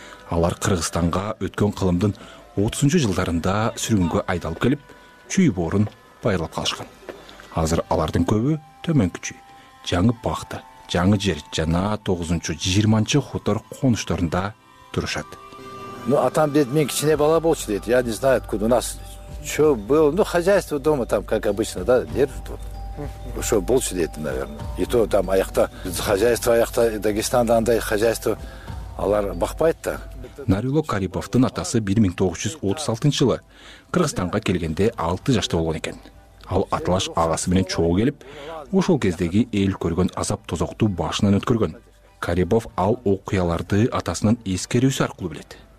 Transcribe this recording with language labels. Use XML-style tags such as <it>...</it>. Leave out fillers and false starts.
<ky>Алар Кыргызстанга өткөн кылымдын 30-жу жылдарында сүргүнгө айдалып келип, чүй боорун байырлап калышкан. Азыр алардын көбү төмөнкү чүй, жаңы пахта, жаңы жер жана 9-20 хутор конушторунда турушат.</ky> <ru>Ну,</ru> <ky>атам деди, мен кичине бала болчу деди.</ky> <ru>Я не знаю, откуда у нас что было, ну, хозяйство дома там, как обычно, да, держит вот.</ru> <ky>Ошо болчу деди,</ky> <ru>наверное. И то там</ru> <ky>аякта хозяйство, аякта Дагестанда андай хозяйство алар бакпайт да. Нарило Карибовдун атасы 1936 жылы Кыргызстанга келгенде 6 жашта болгон экен. Ал атылаш агасы менен чоо келип, ошол кездеги эл көргөн азап тозокту башынан өткөргөн. Карибов ал окуяларды атасынын эскерүүсү аркылуу билет.</ky>